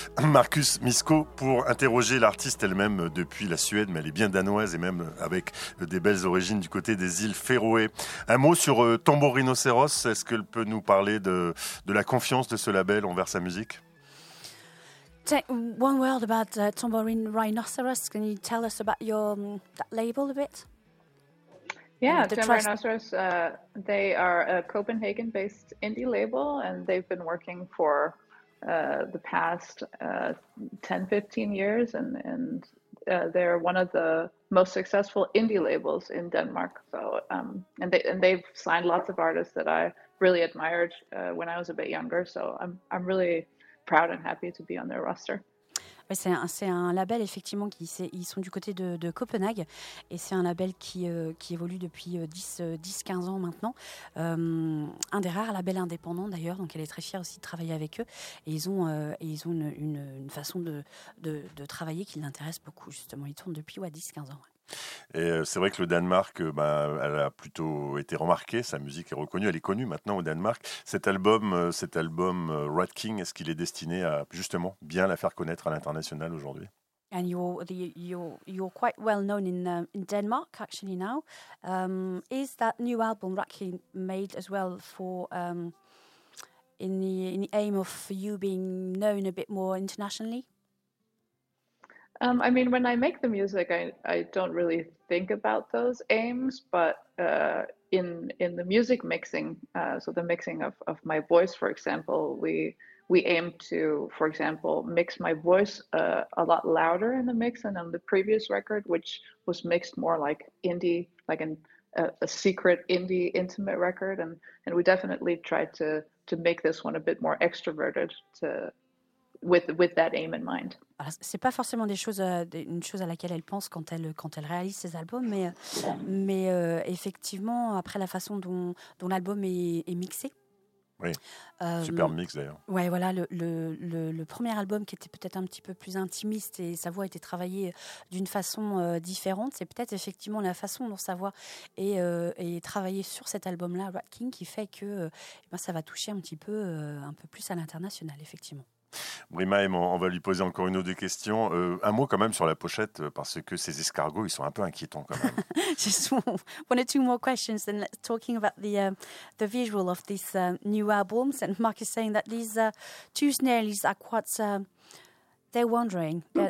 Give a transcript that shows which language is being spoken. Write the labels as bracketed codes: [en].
[fr] Marcus Misko, pour interroger l'artiste elle-même depuis la Suède, mais elle est bien danoise et même avec des belles origines du côté des îles Féroé. Un mot sur Tambour Rhinocéros. Est-ce qu'elle peut nous parler de la confiance de ce label envers sa musique? [en] One word about Tambour Rhinocéros. Can you tell us about your that label a bit? Yeah, Tambour Rhinocéros, they are a Copenhagen-based indie label, and they've been working for the past 10-15 years, and they're one of the most successful indie labels in Denmark. So, and they've signed lots of artists that I really admired when I was a bit younger. So I'm really proud and happy to be on their roster. [fr] C'est un label, effectivement, ils sont du côté de Copenhague et c'est un label qui évolue depuis 10-15 ans maintenant. Un des rares labels indépendants, d'ailleurs, donc elle est très fière aussi de travailler avec eux. Et ils ont une façon de travailler qui l'intéresse beaucoup, justement. Ils tournent depuis 10-15 ans. Et c'est vrai que le Danemark, elle a plutôt été remarquée, sa musique est reconnue, elle est connue maintenant au Danemark. Cet album Rat King, est-ce qu'il est destiné à justement bien la faire connaître à l'international aujourd'hui? [en] And you're quite well known in Denmark actually now. Is that new album Rat King made as well for in the aim of you being known a bit more internationally? I mean, when I make the music, I don't really think about those aims, but in the music mixing, so the mixing of my voice, for example, we aim to, for example, mix my voice a lot louder in the mix than on the previous record, which was mixed more like indie, like a secret indie intimate record. And we definitely tried to make this one a bit more extroverted with that aim in mind. [fr] Alors, c'est pas forcément une chose à laquelle elle pense quand elle réalise ses albums, mais effectivement, après la façon dont l'album est mixé. Oui, super mix d'ailleurs. Ouais, voilà, le premier album qui était peut-être un petit peu plus intimiste et sa voix a été travaillée d'une façon différente, c'est peut-être effectivement la façon dont sa voix est travaillée sur cet album-là, Rat King, qui fait que ça va toucher un peu plus à l'international, effectivement. Brimheim, on va lui poser encore une ou deux questions. Un mot quand même sur la pochette, parce que ces escargots, ils sont un peu inquiétants quand même. [en] Just one or two more questions, and talking about the visual of this new album. And Mark is saying that these two snails are quite they're wandering.